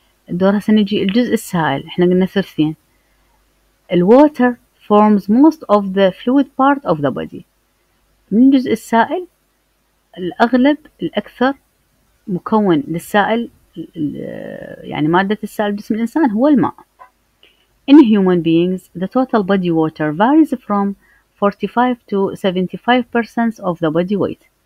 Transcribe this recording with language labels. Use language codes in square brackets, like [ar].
[ar] الدورة سنجي الجزء السائل، إحنا قلنا ثلثين. [en] Water forms most of the fluid part of the body. [ar] من الجزء السائل الأغلب الأكثر مكون للسائل، يعني مادة السائل جسم الإنسان، هو الماء. [en] In human beings, the total body water varies from 45 to 75% of the body weight.